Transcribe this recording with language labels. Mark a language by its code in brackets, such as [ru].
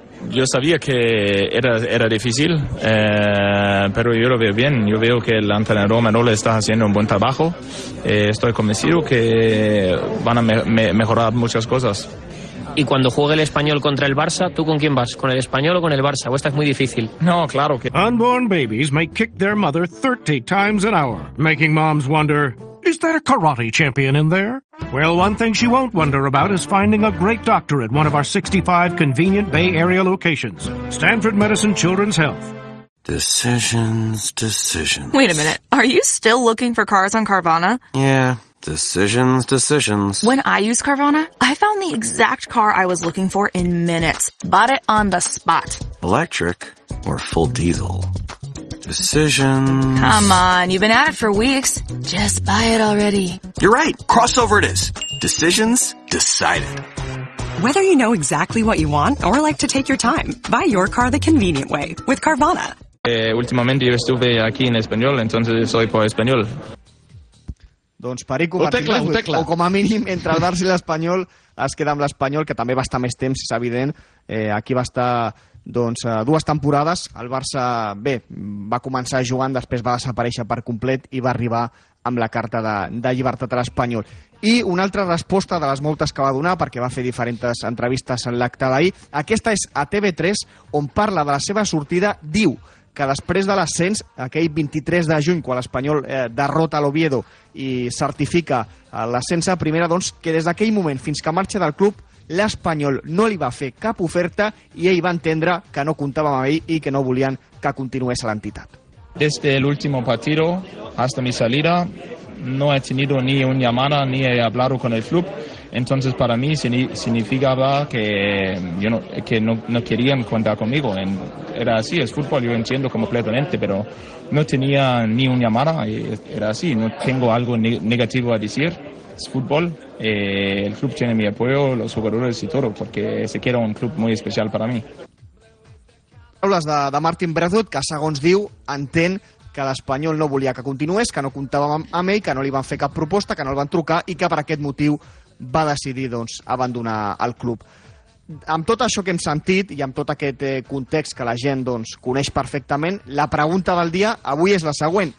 [es] Yo sabía que era difícil, pero yo lo veo bien. Yo veo que el entrenador Manolo está haciendo un buen trabajo. Estoy convencido que van a mejorar muchas cosas. ¿Y cuando juegue el Español contra el Barça, tú con quién vas? ¿Con el Español o con el Barça? ¿O esta es muy difícil? No, claro que... [en] Unborn babies may kick their mother 30 times an hour, making moms wonder, is there a karate champion in there? Well, one thing she won't wonder about is finding a great doctor at one of our 65 convenient Bay Area locations. Stanford Medicine Children's Health. Decisions, decisions. Wait a minute. Are you still looking for cars on Carvana? Yeah. Decisions, decisions. When I use Carvana, I found the exact car I was looking for in minutes. Bought it on the spot. Electric or full diesel? Decisions. Come on, you've been at it for weeks. Just buy it already. You're right. Crossover it is. Decisions decided. Whether you know exactly what you want or like to take your time, buy your car the convenient way with Carvana. [es] Últimamente yo estuve aquí en Español, entonces soy por Español. [ca] Doncs Perico, o com a mínim entre el Barça i l'Espanyol es queda amb l'Espanyol, que també va estar més temps, és evident. Aquí va estar, doncs, dues temporades. El Barça, bé, va començar jugant, després va desaparèixer per complet i va arribar amb la carta de llibertat a l'Espanyol. I una altra resposta de les moltes que va donar, perquè va fer diferents entrevistes en l'acte d'ahir, aquesta és a TV3, on parla de la seva sortida, diu que després de l'ascens, aquell 23 de juny, quan l'Espanyol derrota l'Oviedo i certifica l'ascens a primera, doncs que des d'aquell moment fins que marxa del club, l'Espanyol no li va fer cap oferta i ell va entendre que no comptava amb ell i que no volien que continués a l'entitat. Des de l'últim partit, [es] hasta mi salida, no he tenido ni una llamada ni he hablado con el club. Entonces para mí significaba que yo no querían contar conmigo. Era así, es fútbol, yo entiendo completamente, pero no tenía ni una llamada, era así, no tengo algo negativo a decir. Es fútbol, el club tiene mi apoyo, los jugadores y todo, porque se queda un club muy especial para mí. [ca] Paraules de Martin Brethwaite, que segons diu, entén que l'Espanyol no volia que continués, que no comptava amb ell, que no li van fer cap proposta, que no el van trucar i que per aquest motiu va decidir doncs, abandonar el club. Amb tot això que hem sentit i amb tot aquest context que la gent doncs, coneix perfectament, la pregunta del dia avui és la següent.